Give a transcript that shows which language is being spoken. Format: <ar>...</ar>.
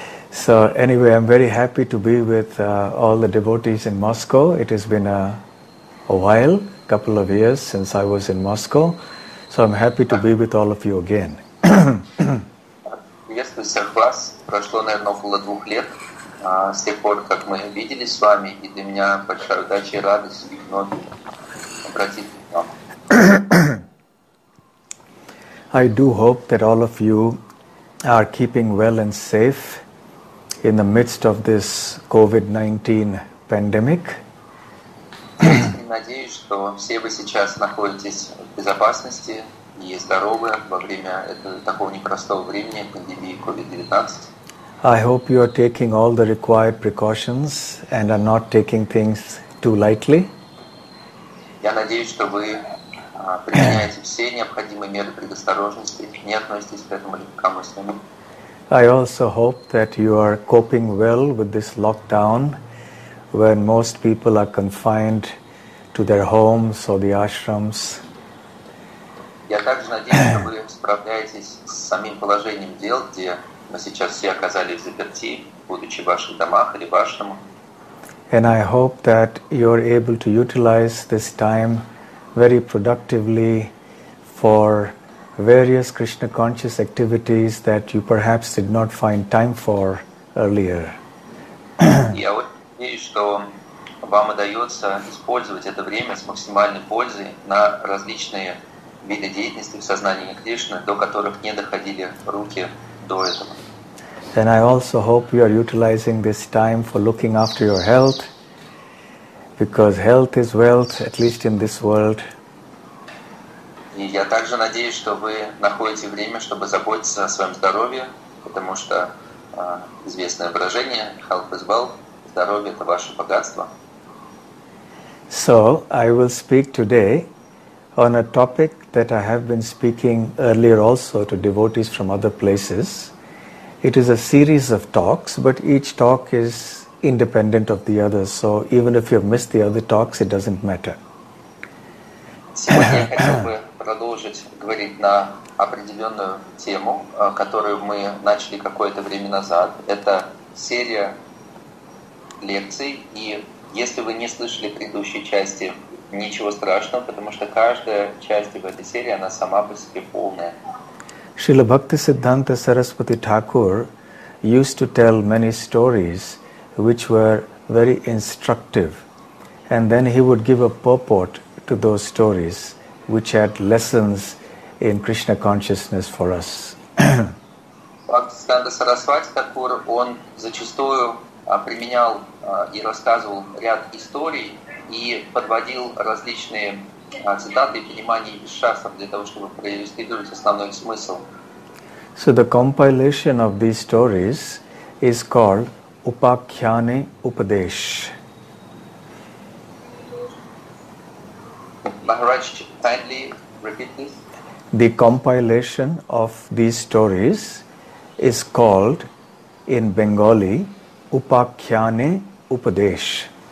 <en>So anyway, I'm very happy to be with all the devotees in Moscow. It has been a while, a couple of years since I was in Moscow. So I'm happy to be with all of you again. Yes, to serve us.</en> <ru>Прошло, наверное, около двух лет с тех пор, как мы виделись с вами, и для меня большая удача и радость и вновь обратиться к вам.</ru> <en>I do hope that all of you are keeping well and safe in the midst of this COVID-19 pandemic.</en> <ru>Надеюсь, что все вы сейчас находитесь в безопасности и здоровы во время такого непростого времени пандемии COVID-19.</ru> <en>I hope you are taking all the required precautions and are not taking things too lightly.</en> <ru>Я надеюсь, что вы применяете все необходимые меры предосторожности, не относитесь к этому легкомысленно.</ru> <en>I also hope that you are coping well with this lockdown when most people are confined to their homes or the ashrams.</en> <ru>Я также надеюсь, что вы справляетесь с самим положением дел, где мы сейчас все оказались взаперти, будучи в ваших домах или вашем.</ru> <en>And I hope that you're able to utilize this time very productively for various Krishna conscious activities that you perhaps did not find time for earlier.</en> <ru>Я надеюсь, что вам удается использовать это время с максимальной пользой на различные виды деятельности в сознании Кришны, до которых не доходили руки до этого.</ru> <en>And I also hope you are utilizing this time for looking after your health, because health is wealth, at least in this world.</en> <ru>И я также надеюсь, что вы находите время, чтобы заботиться о своем здоровье, потому что известное выражение</ru> <en>health is wealth,</en> <ru>здоровье это ваше богатство.</ru> <en>So I will speak today on a topic that I have been speaking earlier also to devotees from other places. It is a series of talks, but each talk is independent of the others. So even if you have missed the other talks, it doesn't matter.</en> <ru>Сегодня я хотел бы продолжить говорить на определенную тему, которую мы начали какое-то время назад. Это серия лекций, и если вы не слышали предыдущие части, ничего страшного, потому что каждая часть в этой серии, она сама по себе полная.</ru> <en>Srila Bhaktisiddhanta Saraswati Thakur used to tell many stories which were very instructive, and then he would give a purport to those stories which had lessons in Krishna consciousness for us.</en> <ru>Bhaktisiddhanta Saraswati Thakur, он зачастую применял и рассказывал ряд историй и подводил различные цитаты и понимание Вишастр для того, чтобы проиллюстрировать основной смысл.</ru> <en>So the compilation of these stories is called Upakhyane Upadesh. Maharaj, kindly repeat this. The compilation of these stories is called in Bengali Upakhyane Upadesh.</en>